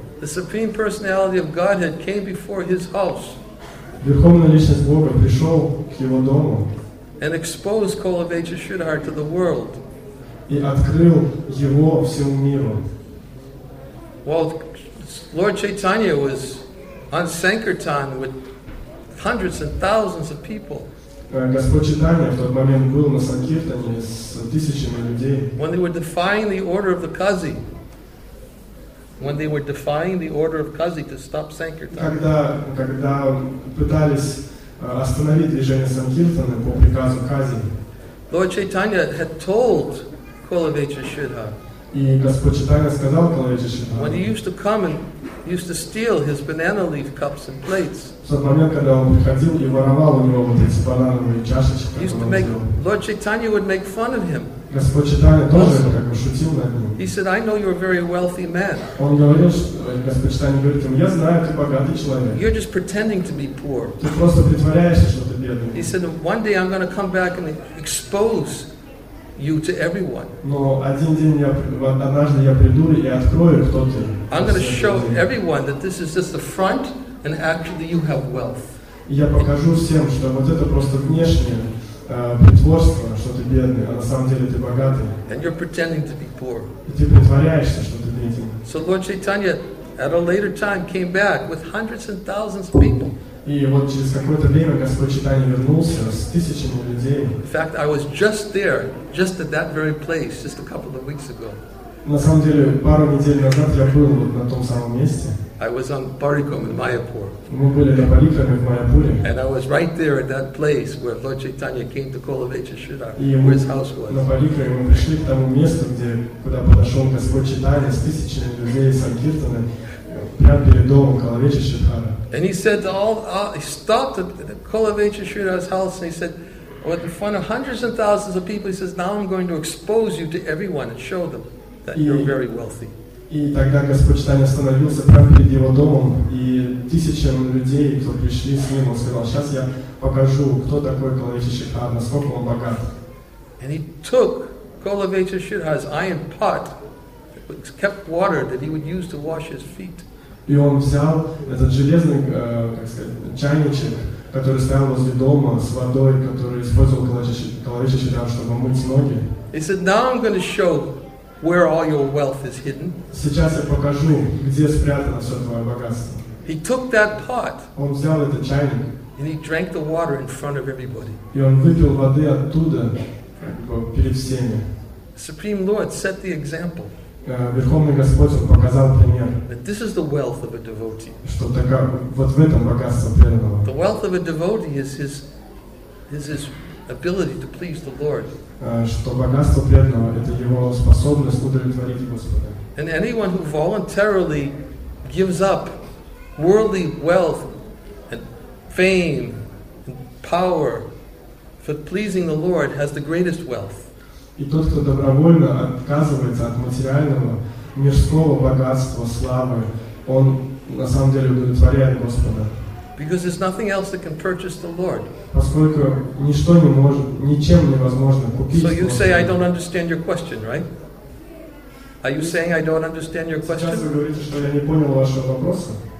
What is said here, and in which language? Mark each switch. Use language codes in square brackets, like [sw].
[en] The Supreme Personality of Godhead came before his house. [ru] Верховная личность Бога пришел к его дому. [en] And exposed Kulavecha Sridhara to the world. [ru] И открыл его всему миру. [en] While Lord Chaitanya was on Sankirtan with hundreds and thousands of people. [ru] Господь Читания в тот момент был на Санкиртане с тысячами людей. [en] When they were defying the order of the Kazi. When they were defying the order of Kazi to stop Sankirtan. [ru] Когда пытались остановить движение Санкиртана по приказу Кази. [en] Lord Chaitanya had told Kulavecha Sridhara. [ru] И Господь Читания сказал Kulavecha Sridhara. [en] When he used to come and used to steal his banana leaf cups and plates. [ru] В тот момент, когда он приходил и воровал у него вот эти банановые чашечки, [en] used to make, Lord Chaitanya would make fun of him. [ru] Господь Читания тоже как бы шутил над ним. [en] He said, I know you're a very wealthy man. [ru] Он говорил, Господь Читания говорит ему, я знаю, ты богатый человек. [en] You're just pretending to be poor. [ru] Ты просто притворяешься, что ты бедный. [en] He said, one day I'm going to come back and expose you to everyone. [ru] Но один день однажды я приду и открою, кто ты. [en] I'm going to show everyone that this is just the front and actually you have wealth. [ru] Я покажу всем, что вот это просто внешнее притворство, что ты бедный, а на самом деле ты богатый. [en] And you're pretending to be poor. [ru] И ты притворяешься, что ты беден. [en] So Lord Chaitanya at a later time came back with hundreds and thousands of people. [ru] И вот через какое-то время Господь Читания вернулся с тысячами людей. [en] In fact, I was just there, just at that very place, just a couple of weeks ago. [ru] На самом деле, пару недель назад я был вот на том самом месте. [en] I was on Parikram in Mayapur. [ru] Мы были на Парикраме в Майяпуре. [en] And I was right there at that place where Lord Chaitanya came to Kulavecha Sridhara, where his house was. [ru] На Парикраме мы пришли к тому месту, куда подошел Господь Читания с тысячами людей из Санкиртаны, прямо перед домом Kulavecha Sridhara. [en] And he said to all, he stopped at Kulavecha Sridhara's house and he said, well, in front of hundreds and thousands of people, he says, now I'm going to expose you to everyone and show them that you're very wealthy. [ru] И тогда Господь Чайтанья остановился прямо перед его домом, и тысячам людей, кто пришли с ним, он сказал, сейчас я покажу, кто такой Калавича Шридхар, насколько он богат. [en] And he took Калавича Шридхар's iron pot, kept water that he would use to wash his feet. [ru] И он взял этот железный, как сказать, чайничек, который стоял возле дома с водой, которую использовал Калавича Шридхар, чтобы мыть ноги. [en] He said, now I'm going to show where all your wealth is hidden. [ru] Сейчас я покажу, где спрятано все твое богатство. [en] He took that pot. [ru] Он взял этот чайник. [en] And he drank the water in front of everybody. [ru] И он выпил воды оттуда, перед всеми. [en] Supreme Lord set the example. [ru] Верховный Господь он показал пример. [en] That this is the wealth of a devotee. [ru] Что такое вот в этом богатство преданного. [en] The wealth of a devotee is his ability to please the Lord. [ru] Что богатство преданного это его способность удовлетворить Господа. [en] And anyone who voluntarily gives up worldly wealth and fame and power for pleasing the Lord has the greatest wealth. [ru] И тот, кто добровольно отказывается от материального мирского богатства, славы, он на самом деле удовлетворяет Господа. [en] Because there's nothing else that can purchase the Lord. [ru] Поскольку ничто не может, ничем невозможно купить. [en] So you say I don't understand your question, right? Are you saying I don't understand your question? [ru] Сейчас вы говорите, что я не понял вашего вопроса.